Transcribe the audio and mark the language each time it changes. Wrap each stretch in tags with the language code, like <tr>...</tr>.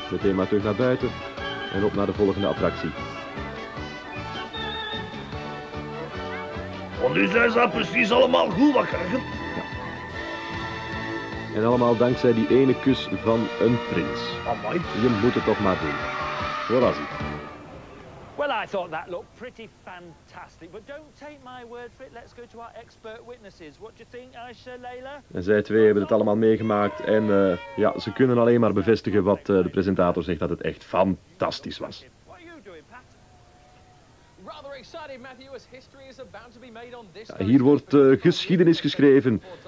<nl>Meteen maar terug naar buiten en op naar de volgende attractie. Want nu zijn ze precies allemaal goed wakker. Ja. En allemaal dankzij die ene kus van een prins. Amai. Je moet het toch maar doen. Voilà.</nl> <en>Well, I thought that looked pretty fantastic, but don't take my word for it. Let's go to our expert witnesses. What do you think, Aisha, Leila?</en> <nl>En zij twee hebben het allemaal meegemaakt en ja, ze kunnen alleen maar bevestigen wat de presentator zegt, dat het echt fantastisch was.</nl> <en>What are you doing, Pat? Rather excited, Matthew, as history is about to be made on this.</en> <nl>Ja, hier wordt geschiedenis geschreven.</nl>